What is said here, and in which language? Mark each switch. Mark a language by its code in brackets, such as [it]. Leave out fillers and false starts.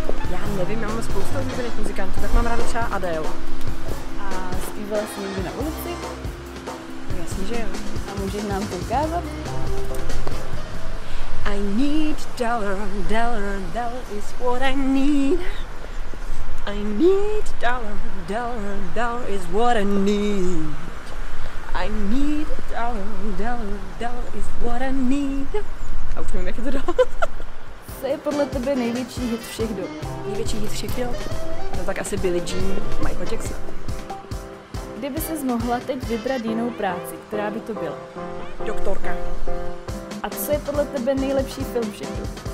[cs] Já nevím, já mám spoustu oblíbených muzikantů, tak mám ráda třeba Adele. A zpívala jsi někdy na ulici? No jasně, že jo. A můžeš nám to ukázat? [en] I need dollar, dollar, dollar is what I need. I need dollar, dollar, dollar is what I need. I need a dollar, dollar, dollar is what I need. [cs] A už nevím, jak je to dál. Co je podle tebe největší hit všech dob? Největší hit všech dob? No tak asi Billie Jean, Michael Jackson. Kdyby ses mohla teď vybrat jinou práci, která by to byla? Doktorka. A co je podle tebe nejlepší film všech dob?